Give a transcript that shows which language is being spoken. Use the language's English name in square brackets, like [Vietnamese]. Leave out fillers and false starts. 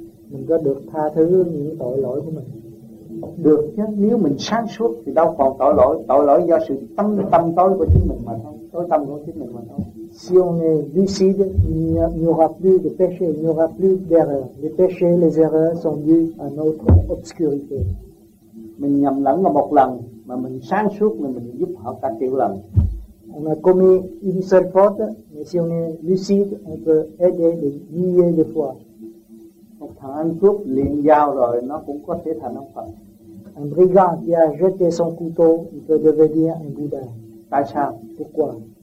[Vietnamese] Mình có được tha thứ những tội lỗi của mình? Được chứ, nếu mình sáng suốt thì đâu còn tội lỗi. Tội lỗi do sự tâm tối của chính mình mà thôi. Tối tâm của chính mình mà thôi. [French] Si on est lucide, il n'y aura plus de péché, il n'y aura plus d'erreur. Les péchés, les erreurs sont dues à notre obscurité. [Vietnamese] Mình nhầm lẫn là một lần, mà mình sáng suốt là mình giúp họ cả triệu lần. [French] on a commis une seule faute, mais si on est lucide, on peut aider des milliers de fois. Un brigand qui a jeté son couteau, il peut devenir un bouddha. Pourquoi?